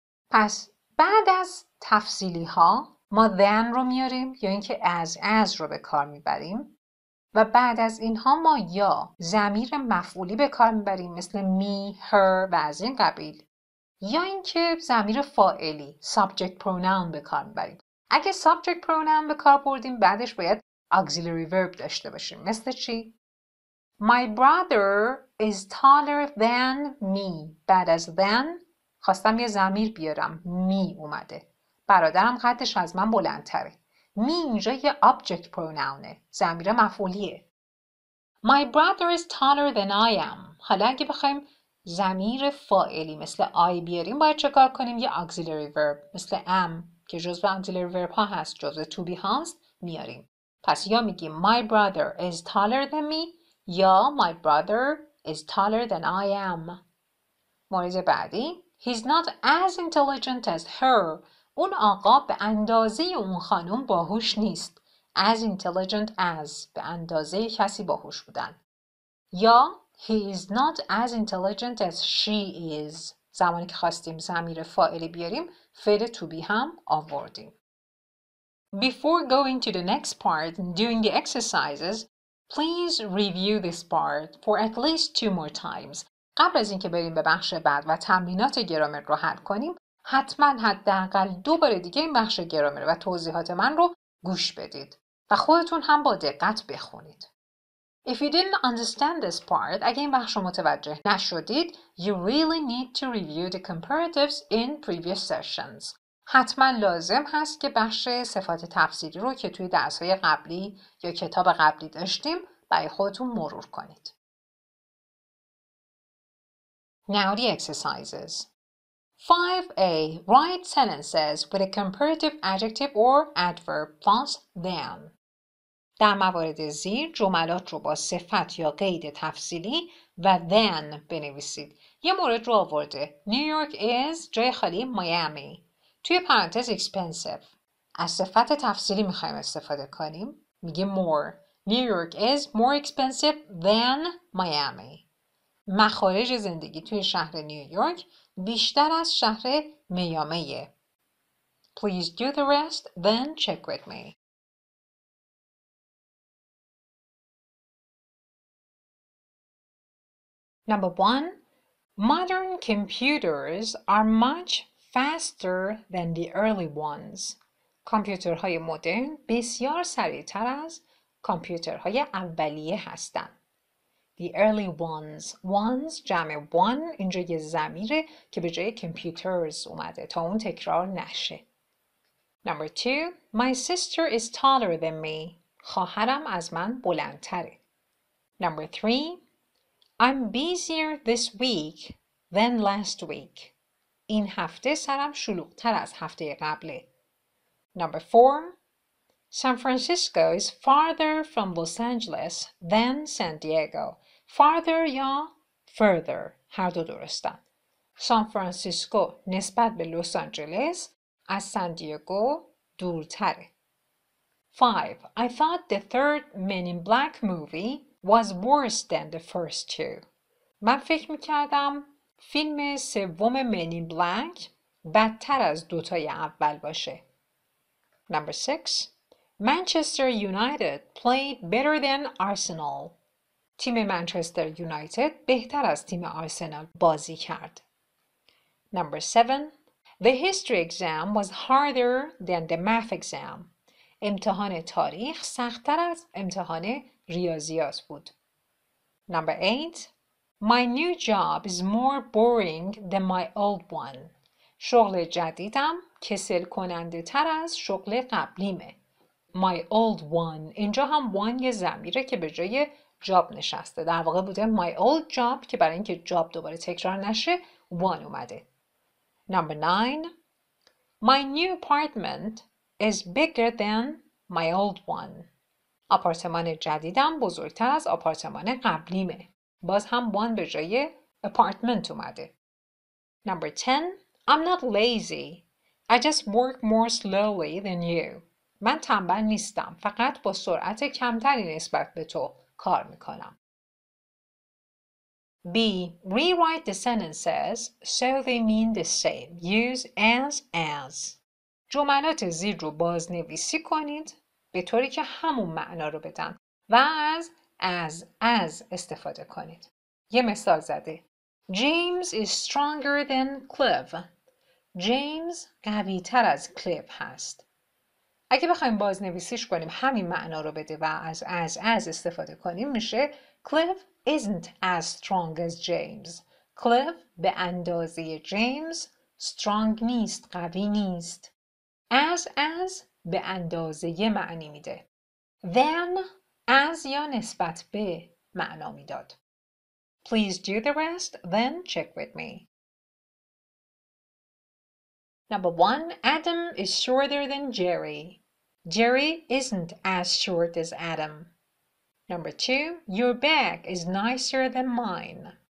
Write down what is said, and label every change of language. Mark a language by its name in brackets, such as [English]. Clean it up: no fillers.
[Persian] پس بعد از تفضیلی ها ما then رو میاریم یا اینکه as رو به کار میبریم و بعد از اینها ما یا ضمیر مفعولی به کار میبریم مثل me, her و از این قبیل یا اینکه ضمیر فاعلی subject pronoun به کار میبریم. اگه subject pronoun به کار بردیم بعدش باید auxiliary verb داشته باشیم. مثل چی؟ [English] My brother is taller than me. [Persian] بعد از than خواستم یه ضمیر بیارم. می اومده. برادرم قدش از من بلندتره. می اینجا یه object pronounه. ضمیر مفعولیه. [English] My brother is taller than I am. [Persian] حالا اگه بخوایم ضمیر فاعلی مثل I بیاریم باید چکار کنیم؟ یه auxiliary verb مثل am که جزو auxiliary verb ها هست. جزو to be هست میاریم. پس یا میگیم [English] My brother is taller than me یا My brother is taller than I am. [Persian] مورد بعدی [English] He's not as intelligent as her. [Persian] اون آقا به اندازه اون خانم باهوش نیست. [English] As intelligent as [Persian] به اندازه کسی باهوش بودن. یا [English] He is not as intelligent as she is. [Persian] زمانی که خواستیم ضمیر فاعلی بیاریم فعل to be هم آوردیم. [English] Before going to the next part and doing the exercises, please review this part for at least 2 more times. [Persian] قبل از اینکه بریم به بخش بعد و تمرینات گرامر رو حل کنیم، حتماً حداقل 2 بار دیگه این بخش گرامر و توضیحات من رو گوش بدید و خودتون هم با دقت بخونید. [English] If you didn't understand this part, [Persian] اگه این بخش رو متوجه نشدید, [English] you really need to review the comparatives in previous sessions. [Persian] حتما لازم هست که بخش صفات تفضیلی رو که توی درس‌های قبلی یا کتاب قبلی داشتیم برای خودتون مرور کنید. [English] Now the exercises. 5A. Write sentences with a comparative adjective or adverb plus them. [Persian] در موارد زیر جملات رو با صفت یا قید تفضیلی و then بنویسید. یه مورد رو آورده. New York is جای خالی Miami. توی پرانتز expensive. از صفت تفصیلی میخواییم استفاده کنیم. میگه [English] more. New York is more expensive than Miami. [Persian] مخارج زندگی توی شهر نیویورک بیشتر از شهر میامیه. [English] Please do the rest, then check with me. Number one. Modern computers are much faster than the early ones. [Persian] کامپیوترهای مدرن بسیار سریعتر از کامپیوترهای اولیه هستند. [English] The early ones. Ones [Persian] جمع one اینجا یه ضمیره که به جای computers اومده تا اون تکرار نشه. [English] Number two. My sister is taller than me. [Persian] خواهرم از من بلندتره. [English] Number three. I'm busier this week than last week. [Persian] این هفته سرم شلوغ‌تر از هفته قبله. [English] Number 4. San Francisco is farther from Los Angeles than San Diego. [Persian] Farther یا further. هر دو درستن. San Francisco نسبت به لس آنجلس از سان دیگو دورتره. [English] 5. I thought the third Men in Black movie was worse than the first two. [Persian] من فکر میکردم فیلم سوم Men in Black بدتر از دوتای اول باشه. [English] Number 6. Manchester United played better than Arsenal. [Persian] تیم Manchester United بهتر از تیم Arsenal بازی کرد. [English] Number 7. The history exam was harder than the math exam. [Persian] امتحان تاریخ سخت‌تر از امتحان ریاضیات بود. [English] Number 8. My new job is more boring than my old one. [Persian] شغل جدیدم کسل کننده تر از شغل قبلیمه. My old one. اینجا هم one یه ضمیره که به جای job نشسته. در واقع بوده my old job که برای اینکه job دوباره تکرار نشه one اومده. [English] Number 9. My new apartment is bigger than my old one. [Persian] آپارتمان جدیدم بزرگتر از آپارتمان قبلیمه. باز هم one به جای apartment اومده. [English] Number 10. I'm not lazy. I just work more slowly than you. [Persian] من تنبل نیستم، فقط با سرعت کمتری نسبت به تو کار میکنم. [English] B. Rewrite the sentences so they mean the same. Use as. [Persian] جملات زیر رو بازنویسی کنید به طوری که همون معنا رو بدن و از استفاده کنید. یه مثال زده. [English] James is stronger than Cliff. [Persian] James قوی تر از کلیف هست. اگه بخوایم بازنویسیش کنیم همین معنا رو بده و از استفاده کنیم میشه [English] Cliff isn't as strong as James. [Persian] Cliff به اندازه James strong نیست، قوی نیست. As به اندازه معنی میده. Then as یا نسبت به معنا میداد. [English] Please do the rest, then check with me. Number 1. Adam is shorter than Jerry. Jerry isn't as short as Adam. Number 2. Your bag is nicer than mine.